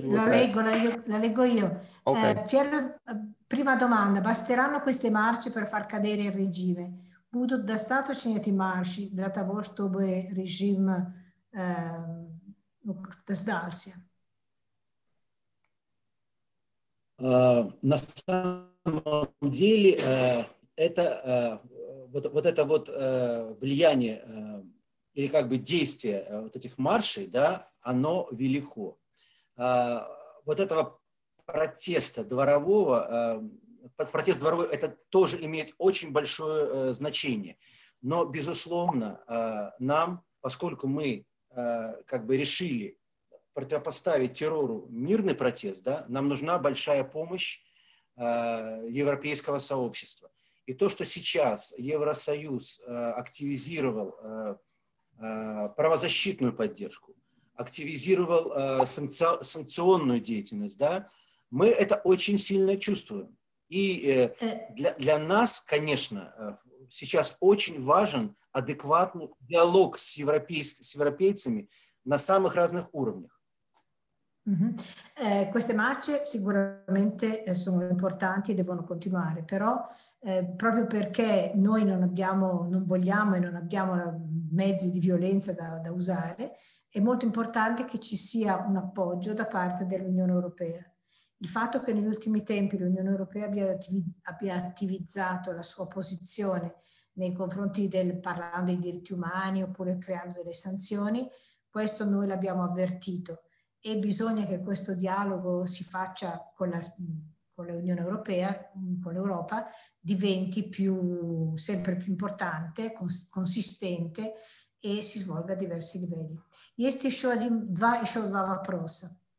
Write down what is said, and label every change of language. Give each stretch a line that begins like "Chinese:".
Italian: Sì, la leggo io. Okay. Piero, prima domanda, basteranno queste marce per far cadere il regime? Budo da stato ce ne ti marci, data vostro regime da sdarsia?
Russian: На самом деле это вот это вот влияние или как бы действие вот этих маршей, да, оно велико. Вот этого протеста дворового, протест дворовой, это тоже имеет очень большое значение. Но, безусловно, нам, поскольку мы как бы решили противопоставить террору мирный протест, да, нам нужна большая помощь европейского сообщества. И то, что сейчас Евросоюз активизировал правозащитную поддержку, активизировал санкционную деятельность, да, мы это очень сильно чувствуем. И для нас, конечно, сейчас очень важен адекватный диалог с европейцами на самых разных уровнях.
Italian: Queste marce sicuramente sono importanti e devono continuare, però proprio perché noi non abbiamo, non vogliamo e non abbiamo mezzi di violenza da usare, è molto importante che ci sia un appoggio da parte dell'Unione Europea. Il fatto che negli ultimi tempi l'Unione Europea abbia attivizzato la sua posizione nei confronti del parlando dei diritti umani oppure creando delle sanzioni, questo noi l'abbiamo avvertito. E bisogna che questo dialogo si faccia con l'Unione Europea, con l'Europa, diventi sempre più importante, consistente e si svolga a diversi livelli.
Russian: Есть еще один, два еще два вопроса.